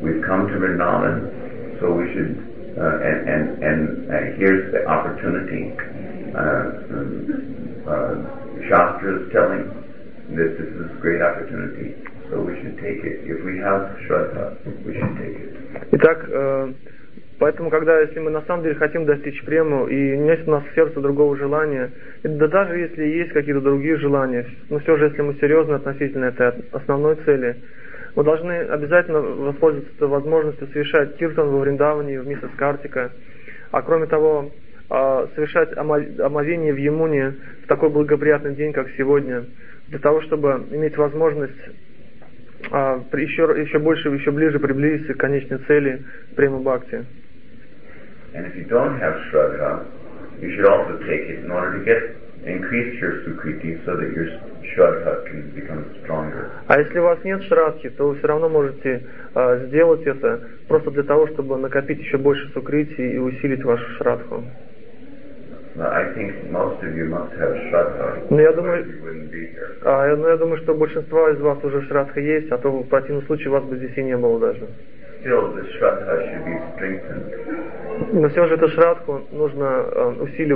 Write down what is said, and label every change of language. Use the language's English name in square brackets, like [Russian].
[English] We've come to Vrindavan, so we should, and here's the opportunity. Shastra is telling that this is a great opportunity, so we should take it. If we have Shraddha, we should take it. [Russian] Итак, поэтому, когда, если мы на самом деле хотим достичь премы, и нет у нас в сердце другого желания, да даже если есть какие-то другие желания, но все же, если мы серьезны относительно этой основной цели, мы должны обязательно воспользоваться возможностью совершать киртан во Вриндаване, в Миссис Картика, а кроме того, совершать омовение в Ямуне в такой благоприятный день, как сегодня, для того, чтобы иметь возможность еще больше, еще ближе приблизиться к конечной цели премы Бхакти. [English] And if you don't have Shraddha, you should also take it in order to get increase your Sukriti so that your Shraddha can become stronger. [Russian] А если у вас нет Шрадхи, то вы все равно можете сделать это просто для того, чтобы накопить еще больше Сукрити и усилить вашу Шрадху. [English] I think most of you must have Shraddha. [Russian] Но я думаю, что большинство из вас уже Шрадха есть, а то в противном случае вас бы здесь и не было даже. [English] Still, the Shraddha should be strengthened. [Russian] Но все же эту шрадху нужно